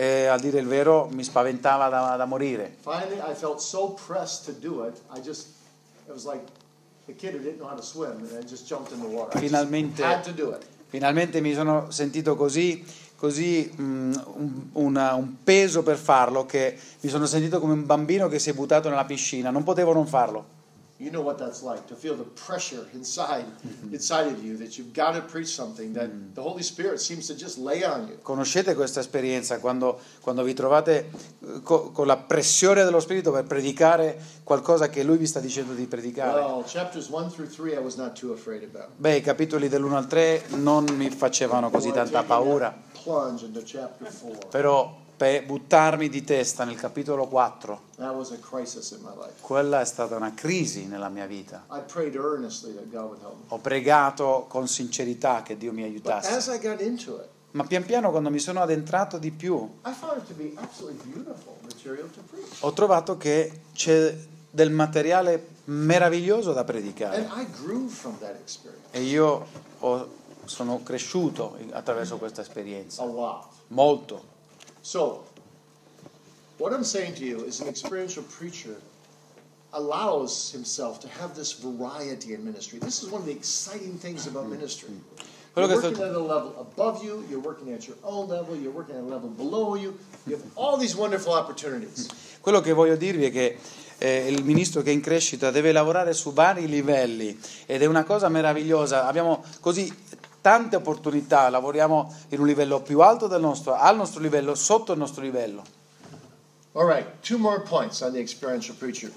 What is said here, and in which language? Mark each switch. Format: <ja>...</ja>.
<it>E a dire il vero, mi spaventava da morire.</it> <en>Finally, I felt so pressed to do it. It was like the kid who didn't know how to swim, and I just jumped in the water.</en> <it>Finalmente.</it> <en>I had to do it.</en> <it>Finalmente mi sono sentito così un peso per farlo, che mi sono sentito come un bambino che si è buttato nella piscina. Non potevo non farlo.</it> <en>You know what that's like, to feel the pressure inside of you, that you've got to preach something that the Holy Spirit seems to just lay on you.</en> <it>Conoscete questa esperienza quando vi trovate con la pressione dello Spirito per predicare qualcosa che Lui vi sta dicendo di predicare?</it> <en>Well, chapters 1 through 3 I was not too afraid about.</en> <it>Beh, i capitoli dell'1 al 3 non mi facevano così tanta paura.</it> <en>Plunge into chapter 4.</en> <it>Però per buttarmi di testa nel capitolo 4.</it> <en>That was a crisis in my life.</en> <it>Quella è stata una crisi nella mia vita.</it> <en>I prayed earnestly that God would help me.</en> <it>Ho pregato con sincerità che Dio mi aiutasse.</it> <en>But as I got into it,</en> <it>ma pian piano, quando mi sono addentrato di più,</it> <en>I found it to be absolutely beautiful material to preach.</en> <it>Ho trovato che c'è del materiale meraviglioso da predicare.</it> <en>And I grew from that experience.</en> <it>E io sono cresciuto attraverso questa esperienza.</it> <en>A lot.</en> <it>Molto.</it> <en>So, what I'm saying to you is an experiential preacher allows himself to have this variety in ministry. This is one of the exciting things about ministry. You're working at a level above you, you're working at your own level, you're working at a level below you, you have all these wonderful opportunities.</en> <it>Quello che voglio dirvi è che il ministro che è in crescita deve lavorare su vari livelli, ed è una cosa meravigliosa. Abbiamo così tante opportunità, lavoriamo in un livello più alto del nostro, al nostro livello, sotto il nostro livello.</it> <en>All right, two more points on the experiential preacher.</en>